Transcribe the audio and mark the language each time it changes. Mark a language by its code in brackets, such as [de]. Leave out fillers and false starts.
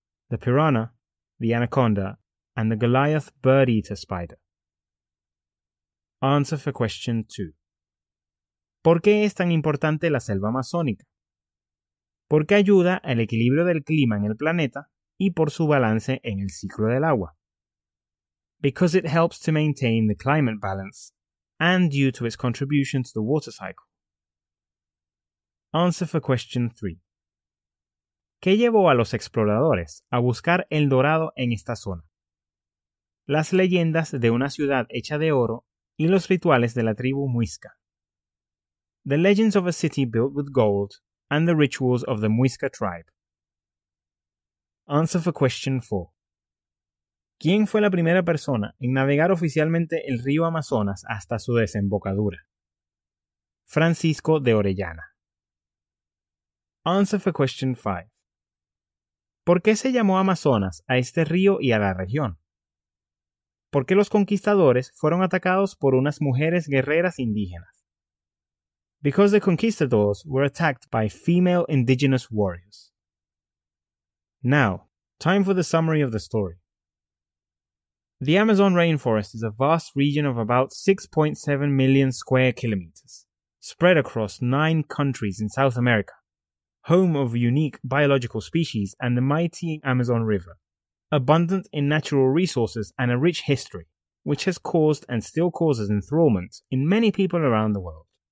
[en] The piranha, the anaconda, and the Goliath bird-eater spider. Answer for question 2. [es] ¿Por qué es tan importante la selva amazónica? Porque ayuda al equilibrio del clima en el planeta y por su balance en el ciclo del agua. [en] Because it helps to maintain the climate balance and due to its contribution to the water cycle. Answer for question 3. [es] ¿Qué llevó a los exploradores a buscar el dorado en esta zona? Las leyendas de una ciudad hecha de oro y los rituales de la tribu Muisca. [en] The legends of a city built with gold and the rituals of the Muisca tribe. Answer for question 4. [es] ¿Quién fue la primera persona en navegar oficialmente el río Amazonas hasta su desembocadura? [en] Francisco de Orellana. Answer for question 5. [es] ¿Por qué se llamó Amazonas a este río y a la región? ¿Por qué los conquistadores fueron atacados por unas mujeres guerreras indígenas? [en] Because the conquistadors were attacked by female indigenous warriors. Now, time for the summary of the story. The Amazon rainforest is a vast region of about 6.7 million square kilometers, spread across 9 countries in South America, home of unique biological species and the mighty Amazon River, abundant in natural resources and a rich history, which has caused and still causes enthrallment in many people around the world.